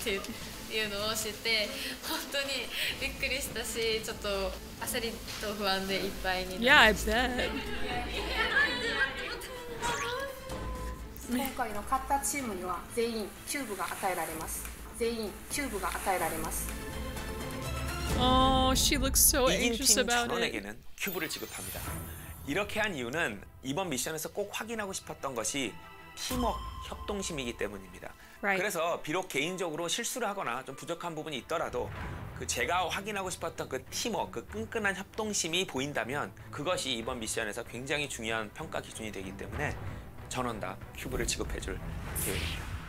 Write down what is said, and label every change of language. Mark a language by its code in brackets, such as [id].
[ja] っていうのを知って本当にびっくりしたし、ちょっと焦りと不安でいっぱいになりました。今回の勝ったチームには全員キューブが与えられます。全員キューブが与えられます。 [en] Oh, she looks so anxious about it. [ko] 드론에게는 큐브를 지급합니다. 이렇게 한 이유는 이번 미션에서 꼭 확인하고 싶었던 것이 팀워크, 협동심이기 때문입니다. [en] Right. [ko] 그래서 비록 개인적으로 실수를 하거나 좀 부족한 부분이 있더라도 그 제가 확인하고 싶었던 그 팀워크, 그 끈끈한 협동심이 보인다면 그것이 이번 미션에서 굉장히 중요한 평가 기준이 되기 때문에 전원 다 큐브를 지급해 줄 계획입니다.